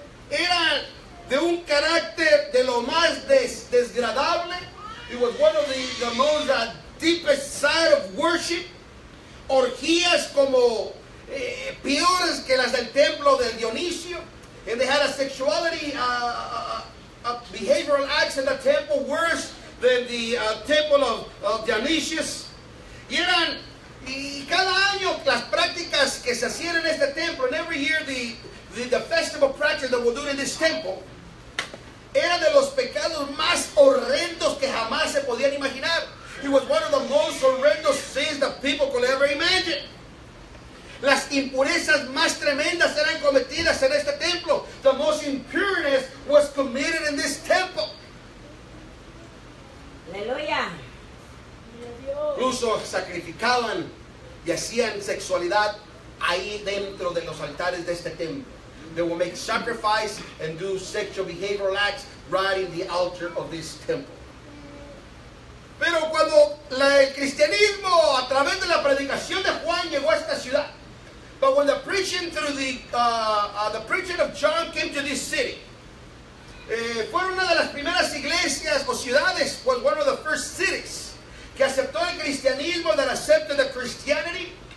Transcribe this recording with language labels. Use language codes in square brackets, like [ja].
[es] Era de un carácter de lo más desagradable. [en] It was one of the most deepest side of worship. [es] Orgías como peores que las del templo del Dionisio. [en] And they had a sexuality, a behavioral acts in the temple worse than the temple of Dionysius. [es] Y eran, y cada año las prácticas que se hacían en este templo, [en] and every year the festival practice that we're doing in this temple, [es] era de los pecados más horrendos que jamás se podían imaginar. [en] It was one of the most horrendous sins that people could ever imagine. [es] Las impurezas más tremendas eran cometidas en este templo. [en] The most impureness was committed in this temple. [es] Aleluya. Incluso sacrificaban y hacían sexualidad ahí dentro de los altares de este templo. [en] They will make sacrifice and do sexual behavioral acts right in the altar of this temple. [es] Pero cuando el cristianismo a través de la predicación de Juan llegó a esta ciudad, [en] but when the preaching through the preaching of John came to this city, [es] fue una de las primeras iglesias o ciudades, [en] was one of the first cities [es] que aceptó el cristianismo, [en] that accepted the Christianity.